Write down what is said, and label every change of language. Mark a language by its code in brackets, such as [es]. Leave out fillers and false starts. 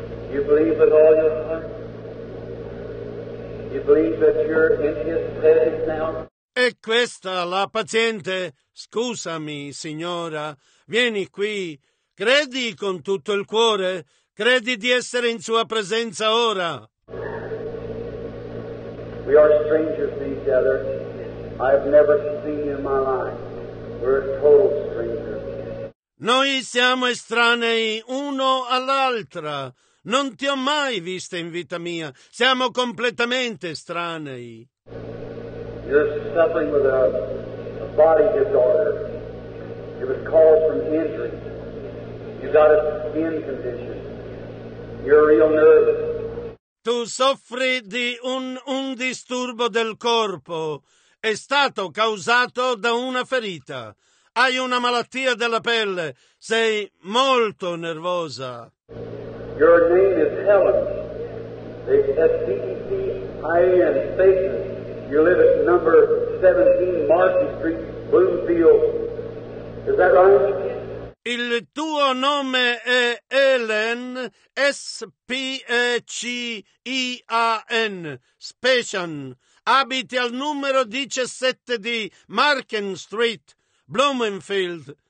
[en] You believe with all your heart? You believe that you're in his presence now? [it] È questa la paziente? Scusami, signora, vieni qui. Credi con tutto il cuore? Credi di essere in sua presenza ora? [en] We are strangers to each other. I have never seen you in my life. We're total strangers. [it] Noi siamo estranei uno all'altra. Non ti ho mai vista in vita mia. Siamo completamente estranei. [en] You're suffering with a body disorder. It was caused from injury. You got a skin condition. You're real nervous. [it] Tu soffri di un disturbo del corpo. È stato causato da una ferita. Hai una malattia della pelle. Sei molto nervosa. [en] Your name is Helen. S-E-E-C-I-N. You live at number 17 Martin Street, Bloomfield. Is that right? [it] Il tuo nome è Helen, S-P-E-C-I-A-N, Specian. Abiti al numero 17 di Marken Street, Bloomfield.